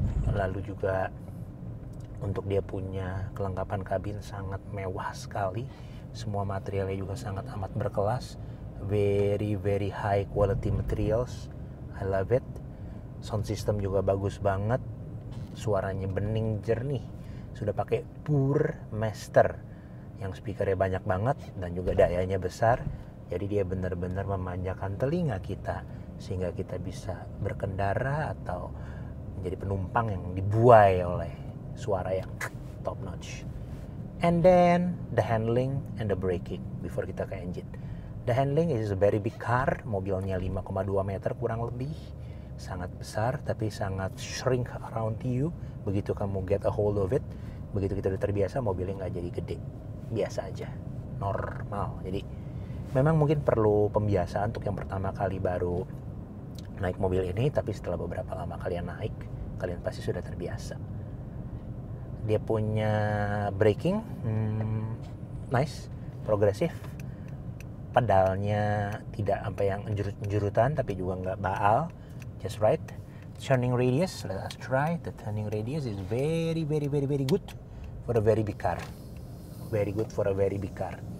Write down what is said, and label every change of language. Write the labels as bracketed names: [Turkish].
[Indonesian] Lalu juga untuk dia punya kelengkapan kabin sangat mewah sekali. Semua materialnya juga sangat amat berkelas. [English] Very very high quality materials, I love it. [Indonesian] Sound system juga bagus banget, suaranya bening jernih. Sudah pakai Pure Master yang speakernya banyak banget dan juga dayanya besar. Jadi dia benar-benar memanjakan telinga kita sehingga kita bisa berkendara atau menjadi penumpang yang dibuai oleh suara yang [English] top notch. And then the handling and the braking before [Indonesian] kita ke engine. [English] The handling is a very big car, [Indonesian] mobilnya 5,2 meter kurang lebih, sangat besar tapi sangat [English] shrink around you. [Indonesian] Begitu kamu [English] get a hold of it, [Indonesian] begitu kita udah terbiasa, mobilnya nggak jadi gede, biasa aja, normal. Jadi memang mungkin perlu pembiasaan untuk yang pertama kali baru naik mobil ini, tapi setelah beberapa lama kalian naik, kalian pasti sudah terbiasa. Dia punya braking, nice, progresif. Pedalnya tidak sampai yang jerut-jerutan, tapi juga nggak baal, [English] just right. Turning radius, let us try. The turning radius is very, very, very, very good for a very big car. Very good for a very big car.